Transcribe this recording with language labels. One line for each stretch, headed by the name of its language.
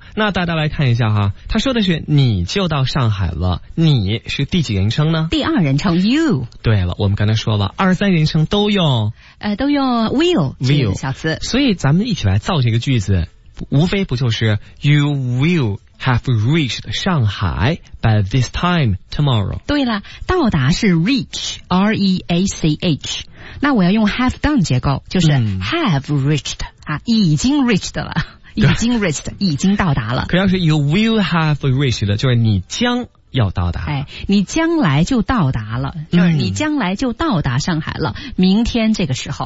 Chinese: 那大家来看一下哈，他说的是你就到上海了，你是第几人称呢？第二人称 you。对了，我们刚才说了，二三人称都用，都用 will will 小词。所以咱们一起来造这个句子，无非不就是
English: you will。 Have reached 上海 by this time tomorrow.
Chinese: 对了，到达是 reach, R-E-A-C-H. 那我要用 have done 结构，就是
English: have reached,、
Chinese: 已经 reached 了，已经 reached, 已经到达了。可要是
English: you will have reached,
Chinese: 就是你将要到达。哎，你将来就到达了，就是你将来就到达上海了、明天这个时候。